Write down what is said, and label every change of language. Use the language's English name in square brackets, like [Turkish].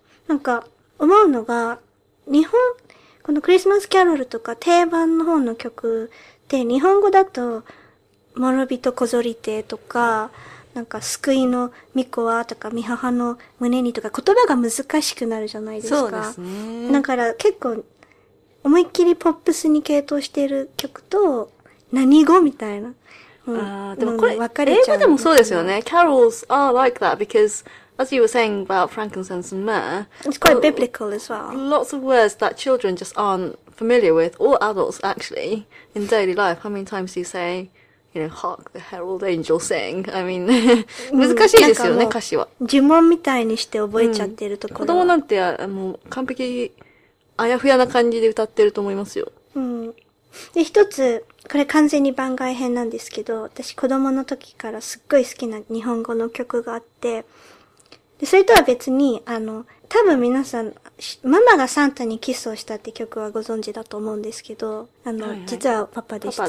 [Japanese] なんか、思うのが、日本、このクリスマスキャロルとか定番の方の曲って日本語だと、もろびとこぞりてとか、なんか救いのみこはとか、みははの胸にとか、言葉が難しくなるじゃないですか。そうですね。だから結構、思いっきりポップスに傾倒してる曲と、何語みたいな。うん、でもこれ、分かれちゃう。英語でもそうですよね。 [English] Carols are like that, because, as you were saying about Frankincense and Myrrh, it's quite biblical as well. Lots of words that children just aren't familiar with, or adults actually, in daily life. How many times do you say,You know, hark the herald angel sing. I mean, [Japanese] 難しいですよね、歌詞は。呪文みたいにして覚えちゃってるところは、うん。子供なんて、もう完璧、あやふやな感じで歌ってると思いますよ。うん。で、一つ、これ完全に番外編なんですけど、私子供の時からすっごい好きな日本語の曲があって、でそれとは別に、多分皆さん、ママがサンタにキスをしたって曲はご存知だと思うんですけど、はいはい、実はパパでした。